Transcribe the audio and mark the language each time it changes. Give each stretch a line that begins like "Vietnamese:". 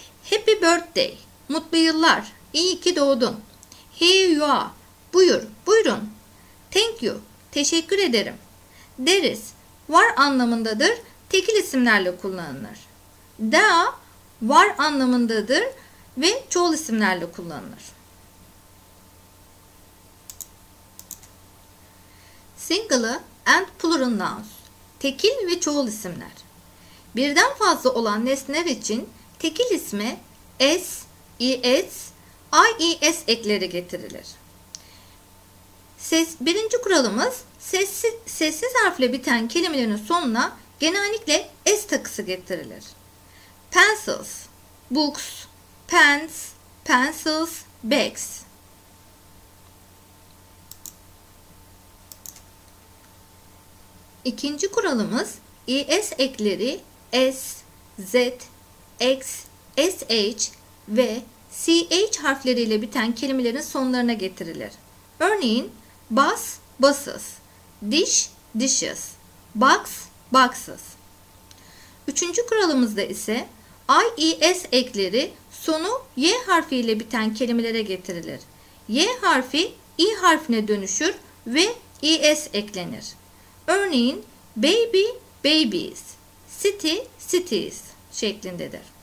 English: Happy birthday.
Turkish: Mutlu yıllar. İyi ki doğdun.
English: Here you are.
Turkish: Buyur, buyurun.
English: Thank you.
Turkish: Teşekkür ederim.
English: There is.
Turkish: Var anlamındadır. Tekil isimlerle kullanılır. There var anlamındadır ve çoğul isimlerle kullanılır.
English: Single and plural nouns.
Turkish: Tekil ve çoğul isimler. Birden fazla olan nesneler için tekil ismi s, is, ies ekleri getirilir. Birinci kuralımız sessiz harfle biten kelimelerin sonuna genellikle s takısı getirilir.
English: Pencils, books, pens, pencils, bags.
Turkish: İkinci kuralımız es ekleri S, Z, X, SH ve CH harfleriyle biten kelimelerin sonlarına getirilir. Örneğin, bus, buses, dish, dishes, box, boxes. Üçüncü kuralımızda ise IES ekleri sonu Y harfiyle biten kelimelere getirilir. Y harfi İ harfine dönüşür ve IES eklenir. Örneğin, baby, babies, city, cities şeklindedir.